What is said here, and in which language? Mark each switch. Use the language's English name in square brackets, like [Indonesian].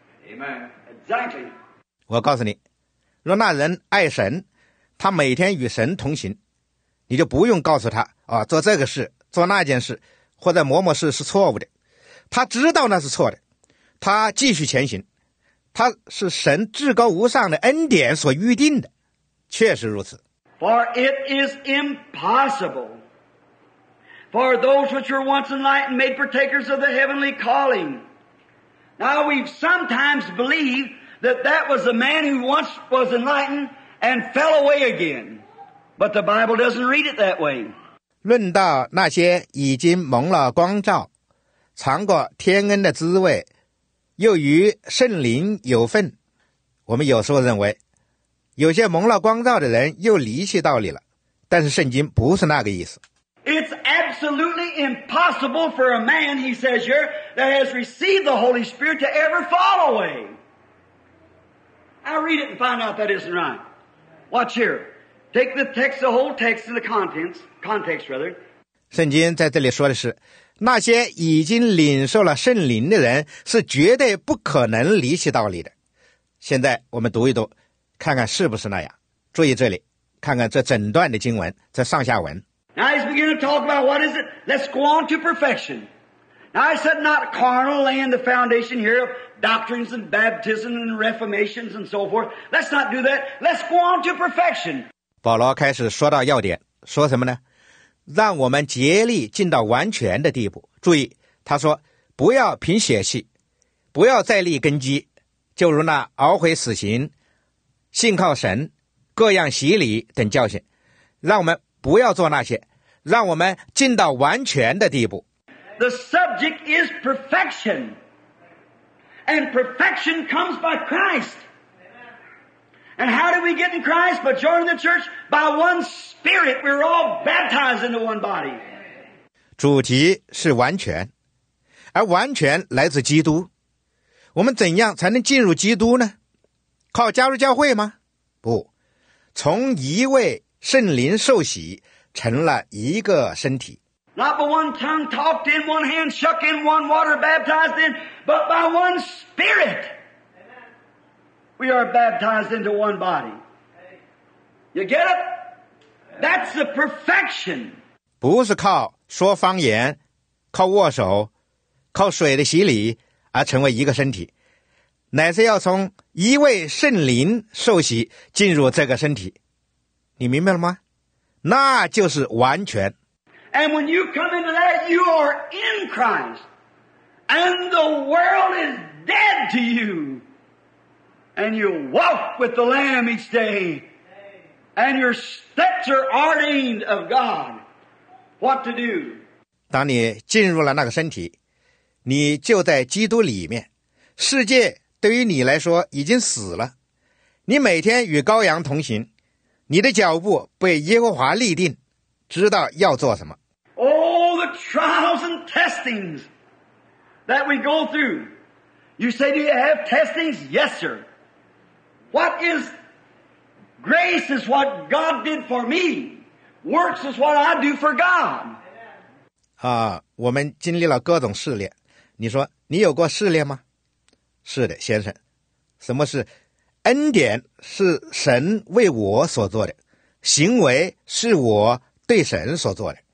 [English] Amen. Exactly. [Chinese] 我告诉你，若那人爱神，他每天与神同行，你就不用告诉他啊，做这个事、做那件事或者某某事是错误的。他知道那是错的，他继续前行。他是神至高无上的恩典所预定的，确实如此。 [English] For it is impossible for those which were once enlightened made partakers of the heavenly calling. Now we sometimes believe that that was a man who once was enlightened. And fell away again. But the Bible doesn't read it that way. [Chinese] 论到那些已经蒙了光照，尝过天恩的滋味，又与圣灵有份，我们有时候认为，有些蒙了光照的人又离弃道理了，但是圣经不是那个意思。 [English] It's absolutely impossible for a man, he says here, that has received the Holy Spirit to ever fall away. I'll read it and find out that isn't right. Watch here. Take the text, the whole text and the context rather. [Chinese] 圣经在这里说的是，那些已经领受了圣灵的人是绝对不可能离弃道理的。现在我们读一读，看看是不是那样。注意这里，看看这整段的经文，这上下文。 [English] Now he's beginning to talk about what is it? Let's go on to perfection. Now I said not carnal laying the foundation here of doctrines and baptism and reformations and so forth. Let's not do that. Let's go on to perfection. [Chinese] 保罗开始说到要点，说什么呢？让我们竭力进到完全的地步。注意，他说不要凭血气，不要再立根基，就如那懊悔死刑、信靠神、各样洗礼等教训，让我们不要做那些，让我们进到完全的地步。 [English] The subject is perfection, and perfection comes by Christ. And how do we get in Christ? But join the church by one spirit. We're all baptized into one body. [Chinese] 主题是完全，而完全来自基督。我们怎样才能进入基督呢？靠加入教会吗？不，从一位圣灵受洗成了一个身体。 [English] Not by one tongue talked in, one hand shook in, one water baptized in, but by one spirit we are baptized into one body. You get it? That's the perfection. [Chinese] 不是靠说方言、靠握手、靠水的洗礼而成为一个身体，乃是要从一位圣灵受洗进入这个身体。你明白了吗？那就是完全。 [English] And when you come into that, you are in Christ. And the world is dead to you. And you walk with the Lamb each day. And your steps are ordained of God. What to do? [Chinese] 当你进入了那个身体，你就在基督里面，世界对于你来说已经死了，你每天与羔羊同行，你的脚步被耶和华立定，知道要做什么。 [English] All the trials and testings that we go through. You say, do you have testings? Yes, sir. What is grace is what God did for me. Works is what I do for God. [Chinese] 啊，我们经历了各种试炼。你说，你有过试炼吗？是的，先生。什么是？恩典是神为我所做的，行为是我对神所做的。